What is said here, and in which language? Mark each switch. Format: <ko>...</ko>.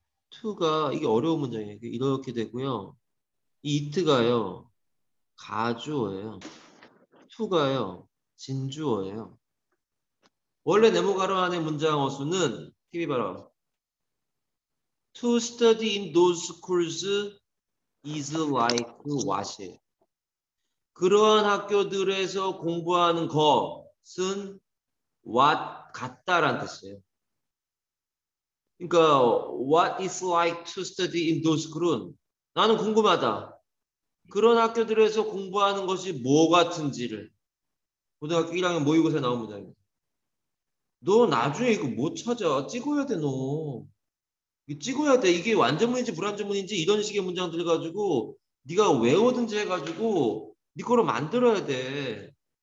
<ko>to가 이게 어려운 문장이에요. 이렇게 되고요. 이 it가요 가주어예요. to가요 진주어예요. 원래 네모 가로 안에 문장 어순은 TV 봐라.</ko> <en>To study in those schools is like what이에요.</en> <ko>그러한 학교들에서 공부하는 것은 what 같다라는 뜻이에요. 그러니까</ko> <en>what is like to study in those schools?</en> <ko>나는 궁금하다. 그런 학교들에서 공부하는 것이 뭐 같은지를 고등학교 1학년 모의고사에 나온 문장이에요. 너 나중에 이거 못 찾아. 찍어야 돼, 너. 찍어야 돼. 이게 완전문인지 불완전문인지 이런 식의 문장들 가지고 네가 외우든지 해가지고 네 거로 만들어야 돼.</ko>